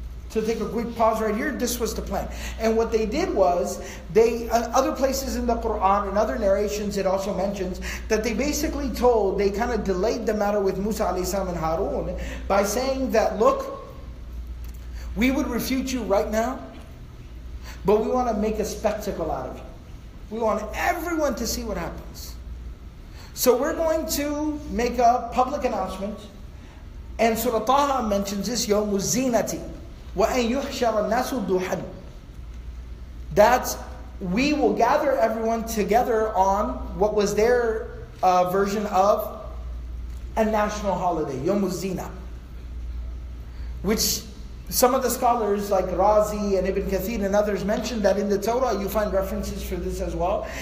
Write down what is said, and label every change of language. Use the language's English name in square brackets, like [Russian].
[English] So take a quick pause right here. This was the plan. And what they did was, other places in the Quran and other narrations, it also mentions that they basically told, they kind of delayed the matter with Musa alayhi salam and Harun by saying that, look, we would refute you right now, but we want to make a spectacle out of you. We want everyone to see what happens. So we're going to make a public announcement. And Surah Taha mentions this, [Arabic] يَوْمُ الزِّينَةِ وَأَن يُحْشَرَ النَّاسُ دُوحًا. [English] That we will gather everyone together on what was their version of a national holiday, يَوْمُ الزِّينَةِ. Which some of the scholars like Razi and Ibn Kathir and others mentioned that in the Torah you find references for this as well.